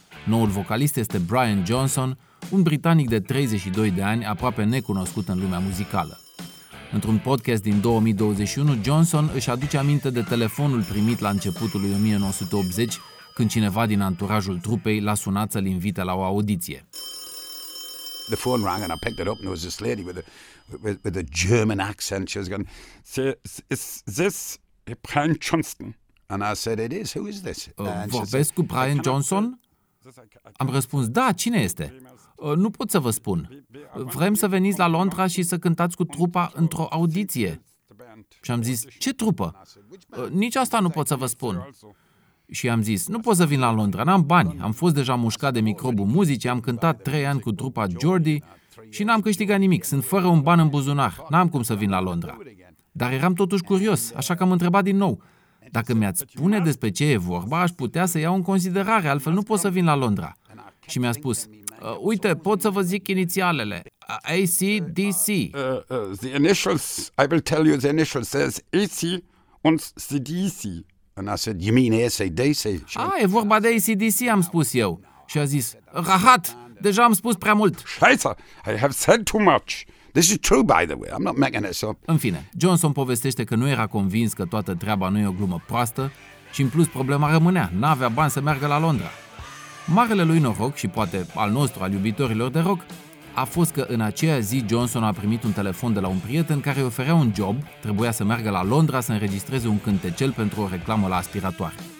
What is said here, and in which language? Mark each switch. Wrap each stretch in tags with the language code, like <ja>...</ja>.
<ro>Noul vocalist este Brian Johnson, un britanic de 32 de ani, aproape necunoscut în lumea muzicală. Într-un podcast din 2021, Johnson își aduce aminte de telefonul primit la începutul lui 1980, când cineva din anturajul trupei l-a sunat să-l invite la o audiție.</ro> <en>The phone rang and I picked it up and there was this lady with a German accent. She was going, "Is this Brian Johnson?" And I said, "It is. Who is this?"</en> <ro>Vorbesc cu Brian Johnson? Am răspuns, da, cine este? Nu pot să vă spun. Vrem să veniți la Londra și să cântați cu trupa într-o audiție. Și am zis, ce trupă? Nici asta nu pot să vă spun. Și am zis, nu pot să vin la Londra, n-am bani. Am fost deja mușcat de microbul muzicii, am cântat 3 ani cu trupa Geordie și n-am câștigat nimic. Sunt fără un ban în buzunar. N-am cum să vin la Londra. Dar eram totuși curios, așa că am întrebat din nou. Dacă mi-ați spune despre ce e vorba, aș putea să iau în considerare, altfel nu pot să vin la Londra. Și mi-a spus, uite, pot să vă zic inițialele. AC/DC.</ro> <en>The initials, I will tell you the initials, says AC and CDC. And I said, you mean AC/DC?</en> <ro>E vorba de AC/DC, am spus eu. Și a zis, rahat, deja am spus prea mult.</ro> <en>Scheiße, I have said too much. This is true, by the way. I'm not making this up.</en> <ro>În fine, Johnson povestește că nu era convins că toată treaba nu e o glumă proastă și, în plus, problema rămânea. N-avea bani să meargă la Londra. Marele lui noroc, și poate al nostru, al iubitorilor de rock, a fost că în aceea zi Johnson a primit un telefon de la un prieten care îi oferea un job, trebuia să meargă la Londra să înregistreze un cântecel pentru o reclamă la aspiratoare.</ro>